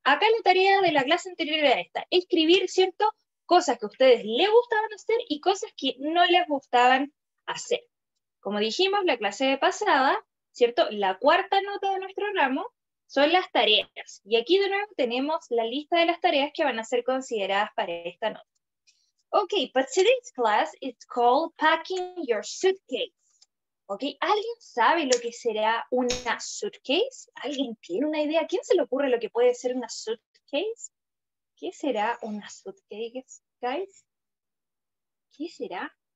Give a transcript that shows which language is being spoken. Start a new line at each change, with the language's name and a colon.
Spanish: Acá la tarea de la clase anterior era esta, escribir, cierto, cosas que a ustedes les gustaban hacer y cosas que no les gustaban hacer. Como dijimos la clase de pasada, cierto, la cuarta nota de nuestro ramo son las tareas. Y aquí de nuevo tenemos la lista de las tareas que van a ser consideradas para esta nota.
English: Okay, but today's class is called Packing Your Suitcase.
Spanish: Okay, ¿alguien sabe lo que será una suitcase? ¿Alguien tiene una idea? ¿Quién se le ocurre lo que puede ser una suitcase? ¿Qué será una suitcase, guys? ¿Qué será?